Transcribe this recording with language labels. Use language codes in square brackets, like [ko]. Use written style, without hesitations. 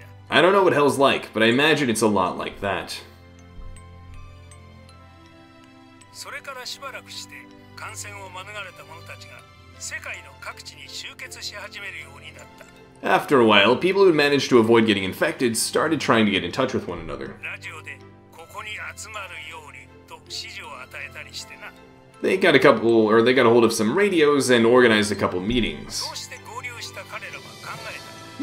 [en] I don't know what hell's like, but I imagine it's a lot like that. [ja] それからしばらくして、感染を免れた者たちが世界の各地に集結し始めるようになった。 [en] After a while, people who managed to avoid getting infected started trying to get in touch with one another. [ja] ラジオでここに集まるようにと指示を与えたりしてな。 [en] They got a hold of some radios and organized a couple meetings. [ja] そして合流した彼らは考えた。